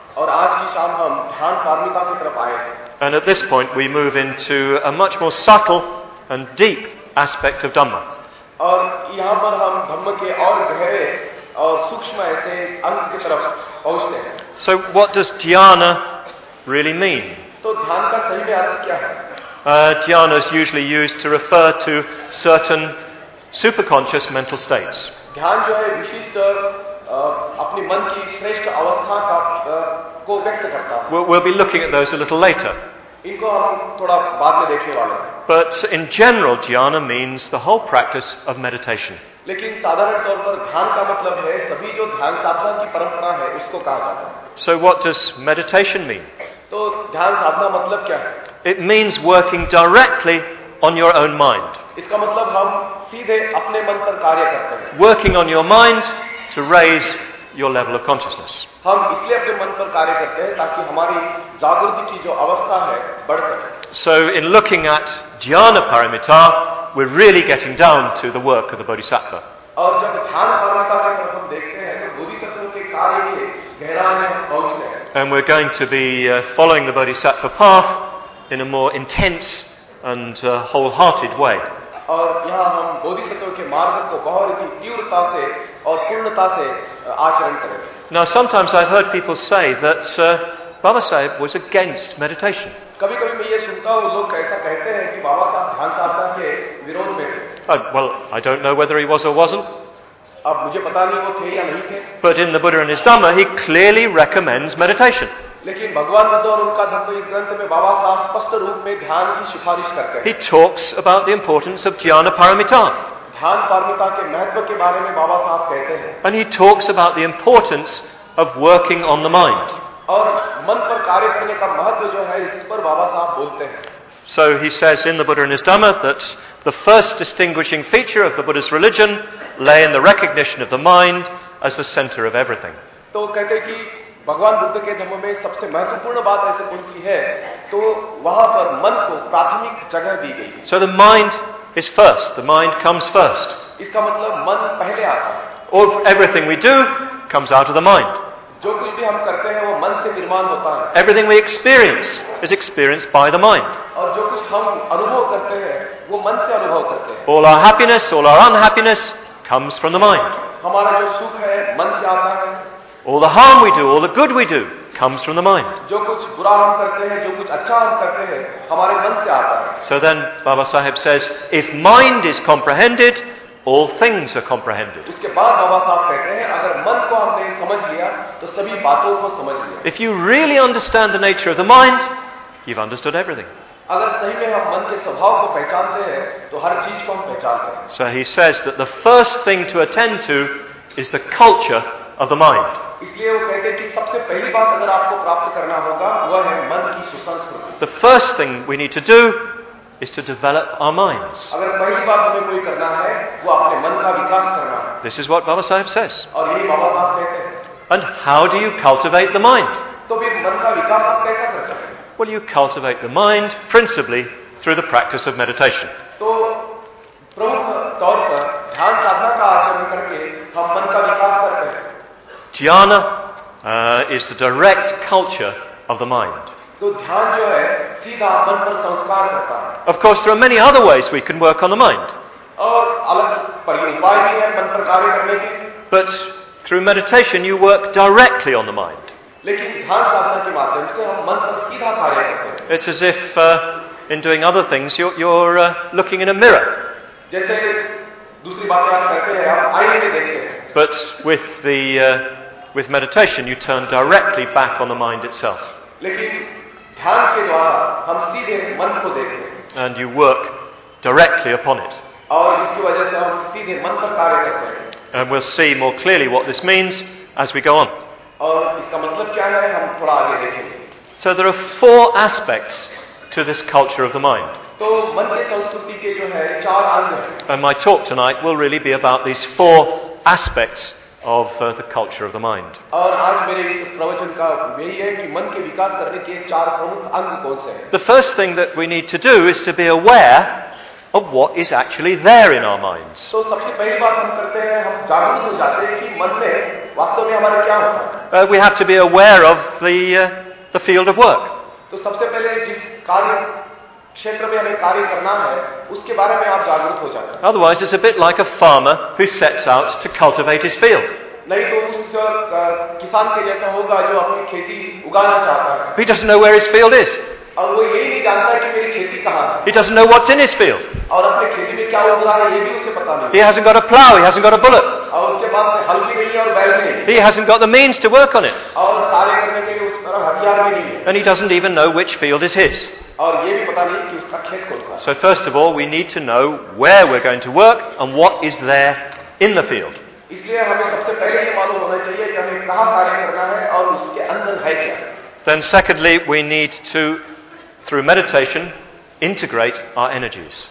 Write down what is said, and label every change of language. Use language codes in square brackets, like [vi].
[hi] और आज की शाम हम ध्यान पारमिता की तरफ आए हैं। [en] And at this point we move into a much more subtle and deep aspect of dhamma. [hi] और यहाँ पर हम धम्म के और गहरे और सूक्ष्म सूक्ष्म ऐसे अंग की तरफ पहुंचते हैं. [en] So what does dhyana really mean? [hi] तो ध्यान का सही में अर्थ क्या है? [en] Dhyana is usually used to refer to certain superconscious mental states. [hi] ध्यान जो है विशिष्ट अपनी मन की श्रेष्ठ अवस्था का को व्यक्त करता है. [en] We'll be looking at those a little later. [hi] इनको हम थोड़ा बाद में देखने वाले हैं. [en] But in general, dhyana means the whole practice of meditation. [hi] लेकिन साधारण तौर पर ध्यान का मतलब है सभी जो ध्यान साधना की परंपरा है उसको कहा जाता है. [en] So what does meditation mean? [hi] तो ध्यान साधना मतलब क्या है? [en] It means working directly on your own mind. [hi] इसका मतलब हम सीधे अपने मन पर कार्य करते हैं. [en] Working on your mind to raise your level of consciousness. [hi] हम इसलिए अपने मन पर कार्य करते हैं ताकि हमारी जागृति की जो अवस्था है बढ़ सके. [en] So in looking at dhyana paramita, we're really getting down to the work of the bodhisattva. [hi] और जब ध्यान साधना का हम देखते हैं तो बोधिसत्व के कार्य के गहराई में पहुंचते हैं. [en] And we're going to be following the bodhisattva path in a more intense and wholehearted way. [hi] और यहाँ हम बोधिसत्व के मार्ग को बहुत ही तीव्रता से और पूर्णता से आचरण करेंगे. [en] Now sometimes I've heard people say that Baba Sahib was against meditation. [hi] कभी-कभी मैं ये सुनता हूँ लोग ऐसा कहते हैं कि बाबा का ध्यान साधना के विरोध में. [en] Well, I don't know whether he was or wasn't. [hi] अब मुझे पता नहीं वो थे या नहीं थे. [en] But in the Buddha and his Dhamma, he clearly recommends meditation. [hi] लेकिन भगवान बुद्ध और उनका धर्म इस ग्रंथ में बाबा का स्पष्ट रूप में ध्यान की सिफारिश करते हैं. [en] He talks about the importance of dhyana paramita. [hi] ध्यान पारमिता के महत्व के बारे में बाबा साहब कहते हैं. [en] And he talks about the importance of working on the mind. [hi] और मन पर कार्य करने का महत्व जो है इस पर बाबा साहब बोलते हैं. [en] So he says in the Buddha and his Dhamma that the first distinguishing feature of the Buddha's religion lay in the recognition of the mind as the center of everything. [hi] तो कहते हैं कि भगवान बुद्ध के धर्म में सबसे महत्वपूर्ण बात ऐसे कौन सी है तो वहां पर मन को प्राथमिक जगह दी गई. [en] So the mind is first. The mind comes first. [hi] इसका मतलब मन पहले आता है. [en] All everything we do comes out of the mind. [hi] जो कुछ भी हम करते हैं वो मन से निर्माण होता है. [en] Everything we experience is experienced by the mind. [hi] और जो कुछ हम अनुभव करते हैं वो मन से अनुभव करते हैं. [en] All our happiness, all our unhappiness comes from the mind. [hi] हमारा जो सुख है मन से आता है. [en] All the harm we do, all the good we do comes from the mind. [hi] जो कुछ बुरा हम करते हैं जो कुछ अच्छा हम करते हैं हमारे मन से आता है. [en] So then Baba Sahib says, if mind is comprehended, all things are comprehended. [hi] उसके बाद बाबा साहब कहते हैं अगर मन को हमने समझ लिया तो सभी बातों को समझ लिया. [en] If you really understand the nature of the mind, you've understood everything. [hi] अगर सही में हम मन के स्वभाव को पहचानते हैं तो हर चीज को हम पहचानते हैं. [en] So he says that the first thing to attend to is the culture of the mind. [hi] इसलिए वो कहते हैं कि सबसे पहली बात अगर आपको प्राप्त करना होगा वह है मन की सुसंस्कृति. [en] The first thing we need to do is to develop our minds. [hi] अगर पहली बात हमें कोई करना है वो अपने मन का विकास करना. [en] This is what Baba Sahib says. [hi] और यही बाबा साहब कहते हैं. [en] And how do you cultivate the mind? [hi] तो फिर मन का विकास आप कैसे करते हैं? [en] Well, you cultivate the mind principally through the practice of meditation. [hi] तो प्रमुख तौर पर ध्यान साधना का आचरण करके हम मन का विकास करते हैं. [en] Dhyana is the direct culture of the mind. [hi] तो ध्यान जो है सीधा मन पर संस्कार करता है. [en] Of course, there are many other ways we can work on the mind. [hi] और अलग उपाय भी हैं मन पर कार्य करने के. [en] But through meditation, you work directly on the mind. [hi] लेकिन ध्यान साधना के माध्यम से हम मन पर सीधा कार्य करते हैं. [en] It's as if in doing other things, you're looking in a mirror. [hi] जैसे दूसरी बातें आप करते हैं आप आईने में देखते हैं. [en] But with the with meditation, you turn directly back on the mind itself. [hi] लेकिन ध्यान के द्वारा हम सीधे मन को देखते हैं. [en] And you work directly upon it. [hi] और इसकी वजह से हम सीधे मन पर कार्य करते हैं. [en] And we'll see more clearly what this means as we go on. [hi] और इसका मतलब क्या है हम थोड़ा आगे देखेंगे. [en] So there are four aspects to this culture of the mind. [hi] तो मन की संस्कृति के जो है चार अंग हैं. [en] And my talk tonight will really be about these four aspects of the culture of the mind. [hi] और आज मेरे इस प्रवचन का यही है कि मन के विकास करने के चार प्रमुख अंग कौन से हैं. [en] The first thing that we need to do is to be aware of what is actually there in our minds. [hi] तो सबसे पहली बात हम करते हैं हम जागरूक हो जाते हैं कि मन में वास्तव में हमारा क्या होता है. [en] We have to be aware of the field of work. [hi] तो सबसे पहले जिस कार्य क्षेत्र में हमें कार्य करना है उसके बारे में आप जागरूक हो जाते हैं. [en] Otherwise, it's a bit like a farmer who sets out to cultivate his field. [hi] नहीं तो उस किसान के जैसा होगा जो अपनी खेती उगाना चाहता है. [en] He doesn't know where his field is. [hi] और वो ये नहीं जानता कि मेरी खेती कहाँ है. [en] He doesn't know what's in his field. [hi] और अपने खेती में क्या उग रहा है ये भी उसे पता नहीं. [en] He hasn't got a plow. He hasn't got a bullet. [hi] और उसके पास हल भी नहीं और बैल भी. [en] He hasn't got the means to work on it. [hi] और कार्य करने के लिए उस पर हथियार भी नहीं. [en] And he doesn't even know which field is his. [hi] और ये भी पता नहीं कि उसका खेत कौन सा. [en] So first of all, we need to know where we're going to work and what is there in the field. [hi] इसलिए हमें सबसे पहले ये मालूम होना चाहिए कि हमें कहाँ कार्य करना है और उसके अंदर है क्या. [en] Then secondly, we need to, through meditation, integrate our energies.